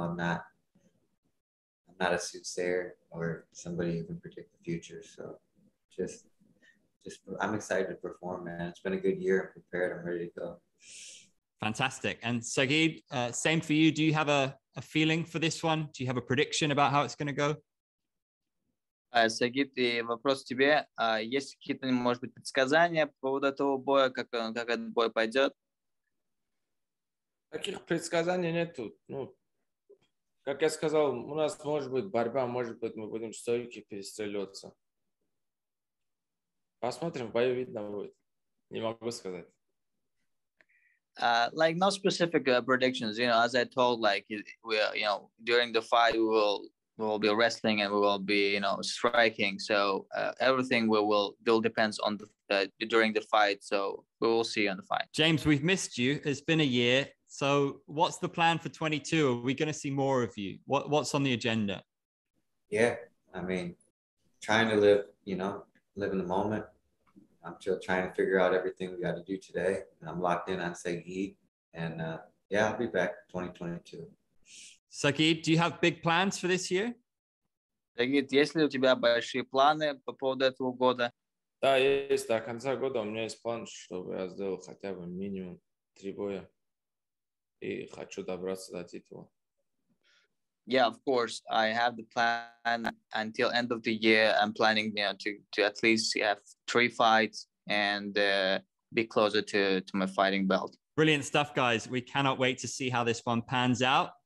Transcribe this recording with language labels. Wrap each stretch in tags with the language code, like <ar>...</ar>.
<en>I'm not a soothsayer or somebody who can predict the future. So just, I'm excited to perform, man. It's been a good year. I'm prepared. I'm ready to go. Fantastic. And Saygid, same for you. Do you have a feeling for this one? Do you have a prediction about how it's going to go?</en> <ru>Саги, вопрос тебе. Есть какие-то, может быть, предсказания по поводу этого боя, как этот бой пойдет? Таких предсказаний нету. Ну, как Как я сказал, у нас может быть борьба, может быть, мы будем стойки перестреливаться. Посмотрим, в бою видно будет. Не могу сказать.</ru> <en>Like no specific predictions, you know. As I told, like we, you know, during the fight we will be wrestling and we will be, you know, striking. So everything will depends on the during the fight. So we will see you on the fight. James, we've missed you. It's been a year. So what's the plan for 22? Are we going to see more of you? What's on the agenda? Yeah, I mean, trying to live, you know, live in the moment. I'm still trying to figure out everything we got to do today. I'm locked in on Saygid. And yeah, I'll be back 2022. Saygid, do you have big plans for this year?</en> <ru>Saygid, есть ли у тебя большие планы по поводу этого года? Да, есть. До конца года у меня есть план, чтобы я сделал хотя бы минимум 3 боя. И хочу добраться до титула.</ru> <en>Yeah, of course. I have the plan until end of the year. I'm planning, you know, to at least have 3 fights and be closer to my fighting belt. Brilliant stuff, guys. We cannot wait to see how this one pans out.</en>